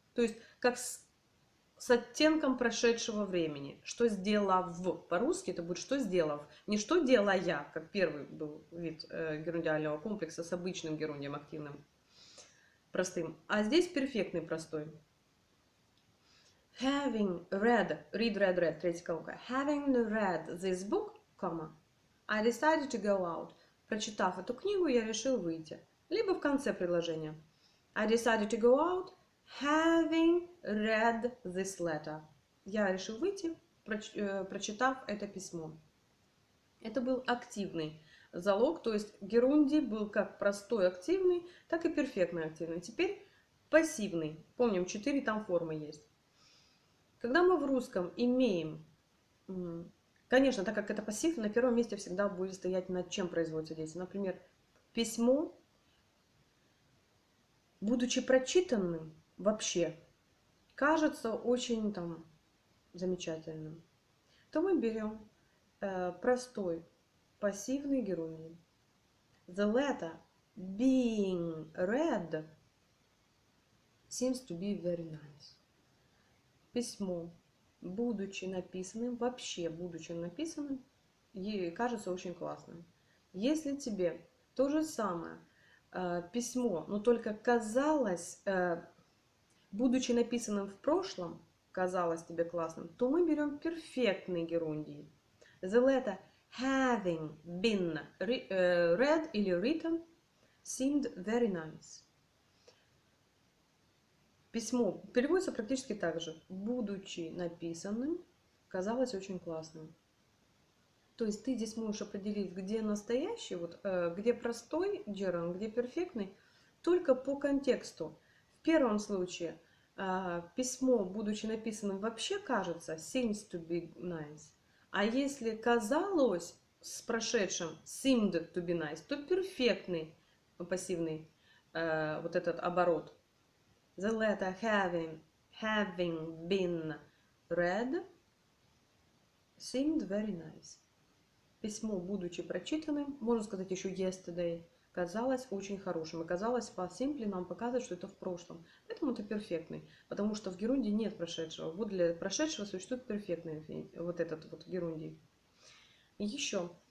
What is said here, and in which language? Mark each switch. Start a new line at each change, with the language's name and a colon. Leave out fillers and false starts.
Russian: То есть, как с оттенком прошедшего времени. Что сделав. По-русски это будет что сделав. Не что делая, как первый был вид герундиального комплекса с обычным герундием активным, простым. А здесь перфектный простой.
English: Having read, read,
Russian: третья колонка.
English: Having read this book, comma, I decided to go out.
Russian: Прочитав эту книгу, я решил выйти. Либо в конце предложения.
English: I decided to go out. Having read this letter.
Russian: Я решил выйти, прочитав это письмо. Это был активный залог, то есть герундий был как простой активный, так и перфектный активный. Теперь пассивный. Помним, 4 там формы есть. Когда мы в русском имеем, конечно, так как это пассив, на первом месте всегда будет стоять, над чем производится действие. Например, письмо, будучи прочитанным, вообще кажется очень там замечательным, то мы берем простой пассивный герундий.
English: The letter being read seems to be very nice.
Russian: Письмо, будучи написанным, вообще будучи написанным, ей кажется очень классным. Если тебе то же самое письмо, но только казалось... Будучи написанным в прошлом, казалось тебе классным, то мы берем перфектный герундий.
English: The letter having been read или written seemed very nice.
Russian: Письмо переводится практически так же. Будучи написанным, казалось очень классным. То есть ты здесь можешь определить, где настоящий, вот, где простой gerund, где перфектный, только по контексту. В первом случае... письмо, будучи написанным, вообще кажется
English: seems to be nice.
Russian: А если казалось с прошедшим
English: seemed to be nice,
Russian: то перфектный пассивный вот этот оборот.
English: The letter having been read seemed very nice.
Russian: Письмо, будучи прочитанным, можно сказать еще yesterday, казалось очень хорошим, и казалось, по simply нам показывает, что это в прошлом. Поэтому это перфектный, потому что в герундии нет прошедшего. Вот для прошедшего существует перфектный вот этот вот герундий. Еще.